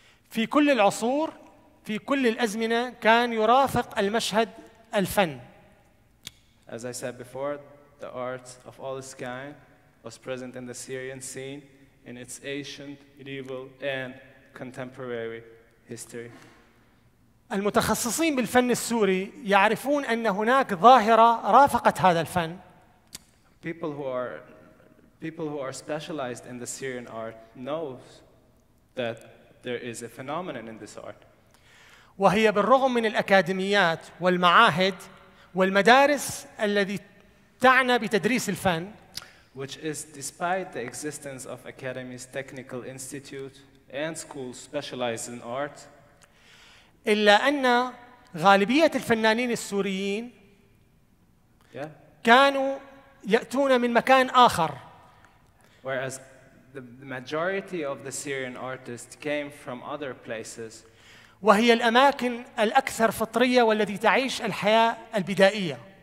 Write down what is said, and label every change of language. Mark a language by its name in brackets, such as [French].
[Arabic] في كل العصور في كل الأزمنة كان يرافق المشهد الفن. [English] As I said before, the art of all its kind was present in the Syrian scene in its ancient, medieval, and contemporary history. [Arabic] المتخصصين بالفن السوري يعرفون أن هناك ظاهرة رافقت هذا الفن. [English] People who are specialized in the Syrian art knows that there is a phenomenon in this art. [Arabic] وهي بالرغم من الأكاديميات والمعاهد والمدارس التي تعنى بتدريس الفن. [English] Which is despite the existence of academies, technical institutes, and schools specialized in art. [Arabic] إلا أن غالبية الفنانين السوريين [English] yeah. [Arabic] كانوا يأتون من مكان آخر. [English] Whereas the majority of the Syrian artists came from other places. [Arabic] وهي الأماكن الأكثر فطرية والتي تعيش الحياة البدائية.